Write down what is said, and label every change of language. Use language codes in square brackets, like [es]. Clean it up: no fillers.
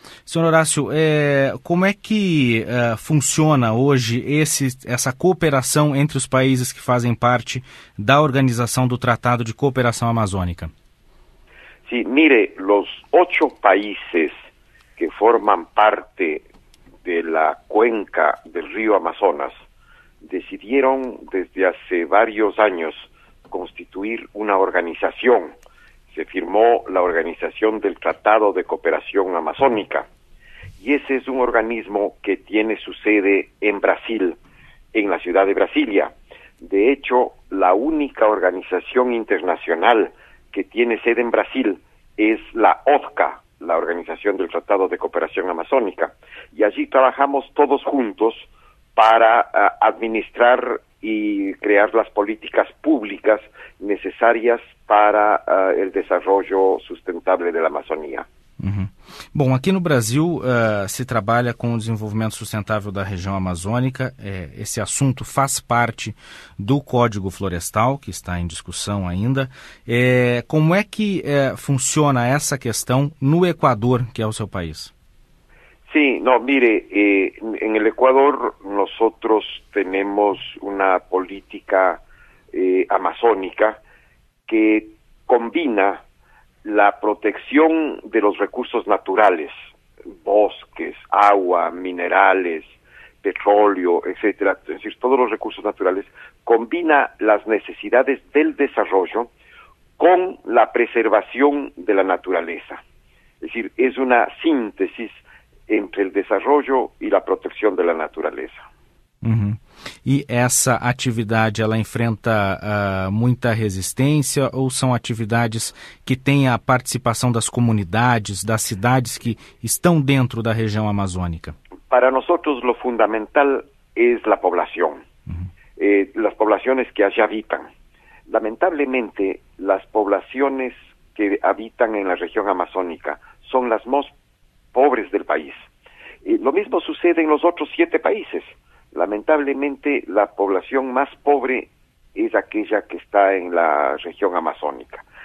[pt] Senhor Horácio, como é que funciona hoje essa cooperação entre os países que fazem parte da Organização do Tratado de Cooperação Amazônica? Sim, mire, os 8 países que formam parte da cuenca do rio Amazonas decidiram, desde há vários anos, constituir uma organização. [es] Se firmó la Organización del Tratado de Cooperación Amazónica, y ese es un organismo que tiene su sede en Brasil, en la ciudad de Brasilia. De hecho, la única organización internacional que tiene sede en Brasil es la OTCA, la Organización del Tratado de Cooperación Amazónica, y allí trabajamos todos juntos para administrar y crear las políticas públicas necesarias para el desarrollo sustentable de la Amazonía. [pt] Bom, aqui no Brasil se trabalha com o desenvolvimento sustentável da região amazônica. Esse assunto faz parte do Código Florestal, que está em discussão ainda. Como é que funciona essa questão no Equador, que é o seu país? [es] Sí, no, mire, en el Ecuador nosotros tenemos una política amazónica que combina la protección de los recursos naturales, bosques, agua, minerales, petróleo, etcétera, es decir, todos los recursos naturales, combina las necesidades del desarrollo con la preservación de la naturaleza. Es decir, es una síntesis entre el desarrollo y la protección de la naturaleza. [pt] E essa atividade, ela enfrenta muita resistência ou são atividades que têm a participação das comunidades, das cidades que estão dentro da região amazônica? [es] Para nosotros lo fundamental es la población, las poblaciones que allá habitan. Lamentablemente, las poblaciones que habitan en la región amazónica son las más pobres del país. Lo mismo sucede en los otros 7 países. Lamentablemente, la población más pobre es aquella que está en la región amazónica.